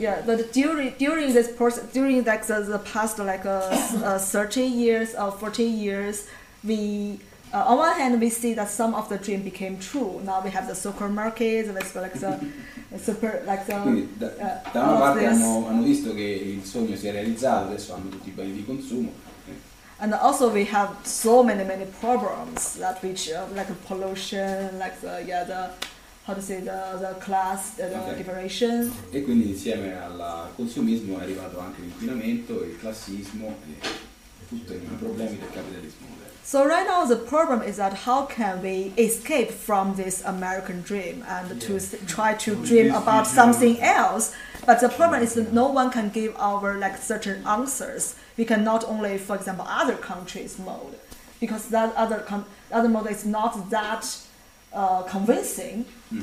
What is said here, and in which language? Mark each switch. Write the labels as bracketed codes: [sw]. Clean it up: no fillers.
[en] Yeah, but during this process, during like the past like 30 years or 40 years, we on one hand we see that some of the dream became true. Now we have the supermarkets, and it's like the super like the. [it] Quindi, da una parte hanno visto che il sogno si è realizzato, adesso hanno tutti i beni di consumo. [en] And also we have so many problems that which like pollution, like the class, the okay. Liberation. [it] E quindi insieme al consumismo è arrivato anche l'inquinamento, il classismo e tutti i problemi del capitalismo. [en] So right now the problem is that how can we escape from this American dream and yeah. to try to dream about something else? But the problem is that no one can give our like certain answers. We cannot only, for example, other countries' mode, because that other mode is not that convincing. Mm-hmm.